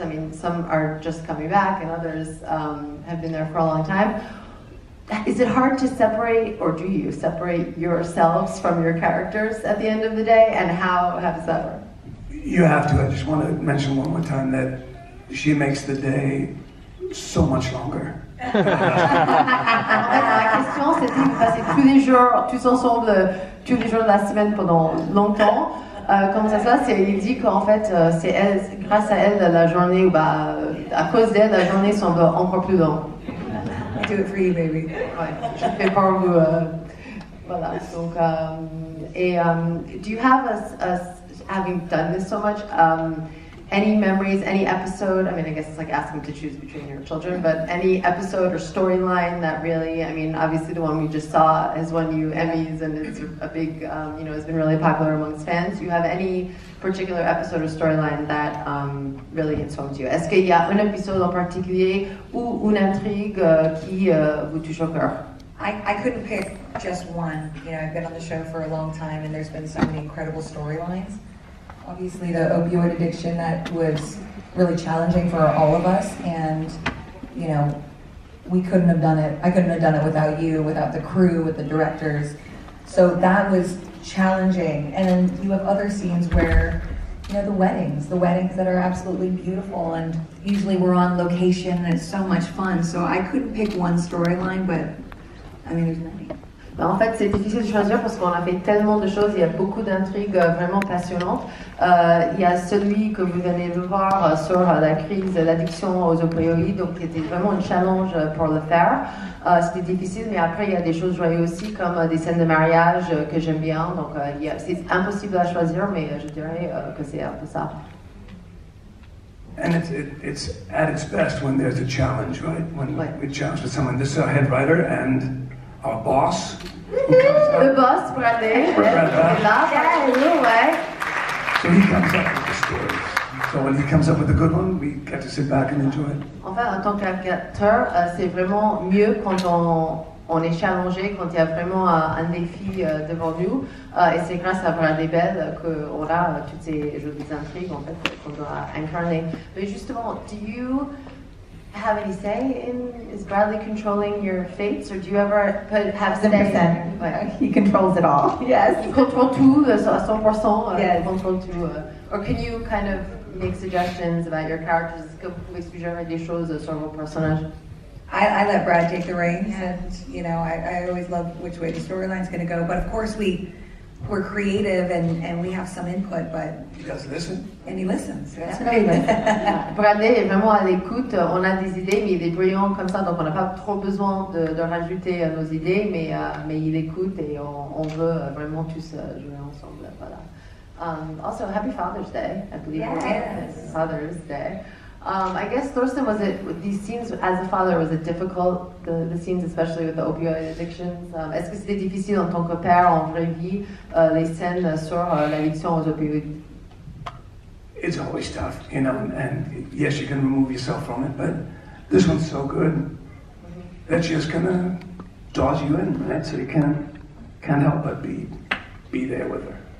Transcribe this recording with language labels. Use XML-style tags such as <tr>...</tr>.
<en>I mean, some are just coming back, and others have been there for a long time. Is it hard to separate, or do you separate yourselves from your characters at the end of the day, and how has that worked? You have to. I just want to mention one more time that she makes the day so much longer.</en> <fr>La question, c'est que vous passez tous les jours, tous ensemble, tous les jours de la semaine pendant longtemps. Comment ça se passe? Il dit qu'en fait, c'est elle, grâce à elle, la journée, ou bah, à cause d'elle, la journée semble encore plus longue.</fr> <en>I do it for you, baby.</en> <fr>Ouais, je fais pour vous. Voilà.</fr> <en>Donc, do you have us having done this so much? Any memories, any episode, I mean, I guess it's like asking to choose between your children, but any episode or storyline that really, I mean, obviously the one we just saw has won you Emmys and it's a big, you know, it's been really popular amongst fans. Do you have any particular episode or storyline that really informs you?</en> <fr>Est-ce qu'il y a un épisode en particulier ou une intrigue qui vous touche au cœur?</fr> <en>I couldn't pick just one. You know, I've been on the show for a long time and there's been so many incredible storylines. Obviously, the opioid addiction that was really challenging for all of us, and you know, we couldn't have done it. I couldn't have done it without you, without the crew, with the directors. So that was challenging. And then you have other scenes where, you know, the weddings that are absolutely beautiful, and usually we're on location, and it's so much fun. So I couldn't pick one storyline, but I mean, there's many.</en> <fr>Ben, en fait, c'est difficile de choisir parce qu'on a fait tellement de choses. Il y a beaucoup d'intrigues vraiment passionnantes. Il y a celui que vous venez de voir sur la crise, l'addiction aux opioïdes, donc qui était vraiment un challenge pour le faire. C'était difficile, mais après, il y a des choses joyeuses aussi, comme des scènes de mariage que j'aime bien. Donc, c'est impossible à choisir, mais je dirais que c'est un peu ça.</fr> <en>And it's at its best when there's a challenge, right? When we challenge with someone. This is our head writer and our boss. The boss, Bradley. So he comes up with the stories. So when he comes up with a good one, we get to sit back and enjoy it.</en> <fr>En fait, en tant qu'acteur, c'est vraiment mieux quand on est challengé, quand il y a vraiment un défi devant nous. Et c'est grâce à Bradley Bell qu'on a toutes ces jolies intrigues en fait, qu'on doit incarner. Mais justement,</fr> <en>do you have any say in, is Bradley controlling your fates, or do you ever have say? 100%. He controls it all. Yes.</en> <fr>Il contrôle tout, à 100%.</fr> <en>Yes.</en> <fr>Il contrôle tout.</fr> <en>Or can you kind of make suggestions about your characters?</en> <fr>Est-ce que vous pouvez suggérer des choses sur vos personnages?</fr> <en>I let Brad take the reins, and you know, I always love which way the storyline's going to go. But of course, we're creative, and we have some input. But he does listen, and he listens. That's great.</en> <fr>Bradley est vraiment à l'écoute. On a des idées, mais il est brillant comme ça, donc on n'a pas trop besoin de rajouter nos idées. Mais il écoute, et on veut vraiment tous jouer ensemble.</fr> <en>Voilà. Also, happy Father's Day. I believe it's Father's Day. I guess, Thorsten, was it these scenes as a father, was it difficult, the scenes especially with the opioid addictions?</en> <fr>Est-ce que c'était difficile en tant que père en vraie vie, les scènes sur l'addiction aux opioïdes?</fr> <en>It's always tough, you know, and yes, you can remove yourself from it, but this one's so good that she just kind of draws you in, right? So you can't help but be there with her.</en>